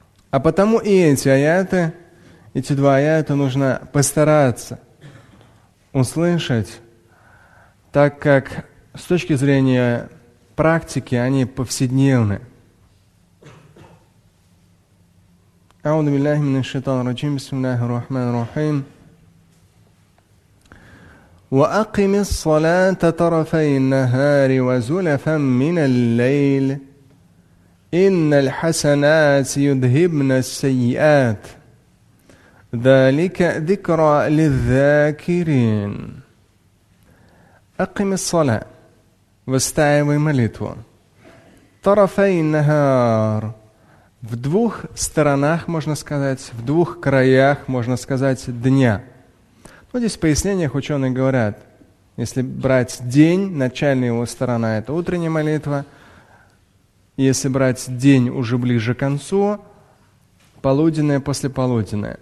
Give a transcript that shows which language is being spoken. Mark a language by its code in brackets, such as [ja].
[ru] А потому и эти аяты, эти два аята нужно постараться услышать, так как с точки зрения практики они повседневны. [ar] أعوذ بالله من الشيطان الرجيم بسم الله الرحمن الرحيم وأقم الصلاة طرفي النهار وزلفا من الليل إن الحسنات يذهبن السيئات ذلك ذكرى للذاكرين أقم الصلاة واستعذ ملتو طرفي النهار. [ru] В двух сторонах, можно сказать, в двух краях, можно сказать, дня. Ну, здесь в пояснениях ученые говорят, если брать день, начальная его сторона – это утренняя молитва. Если брать день уже ближе к концу, полуденная, послеполуденная.